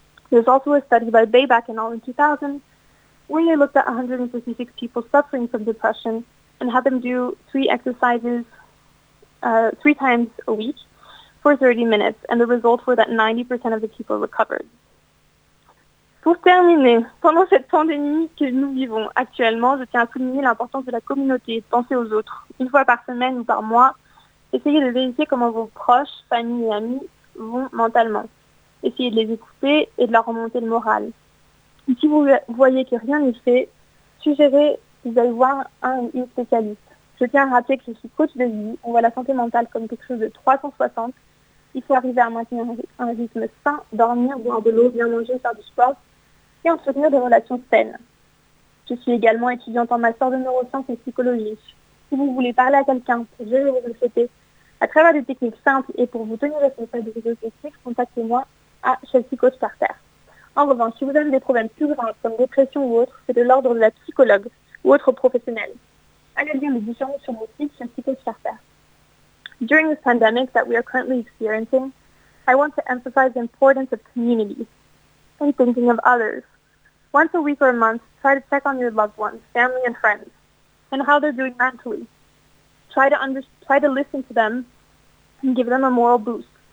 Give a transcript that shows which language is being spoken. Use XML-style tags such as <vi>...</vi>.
<en>There's also a study by Bebak and all in 2000 where they looked at 156 people suffering from depression and had them do three exercises three times a week for 30 minutes, and the results were that 90% of the people recovered.</en> <fr>Pour terminer, pendant cette pandémie que nous vivons actuellement, je tiens à souligner l'importance de la communauté, de penser aux autres. Une fois par semaine ou par mois, Essayez de vérifier comment vos proches, famille et amis vont mentalement. Essayez de les écouter et de leur remonter le moral. Et si vous voyez que rien n'y fait, suggérez qu'ils aillent voir un ou une spécialiste. Je tiens à rappeler que je suis coach de vie. On voit la santé mentale comme quelque chose de 360. Il faut arriver à maintenir un rythme sain, dormir, boire de l'eau, bien manger, faire du sport et entretenir des relations saines. Je suis également étudiante en master de neurosciences et psychologie. Si vous voulez parler à quelqu'un pour gérer vos anxiétés à travers des techniques simples et pour vous tenir responsable de vos objectifs, contactez-moi à Chelsea Coach Carter. En revanche, si vous avez des problèmes plus graves comme dépression ou autre, c'est de l'ordre de la psychologue ou autre professionnel. Allez lire les différences sur mon site Chelsea Coach Carter.</fr> <en>During this pandemic that we are currently experiencing, I want to emphasize the importance of community and thinking of others. Once a week or a month, try to check on your loved ones, family and friends, and how they're doing mentally. Try to listen to them and give them a moral boost.</en>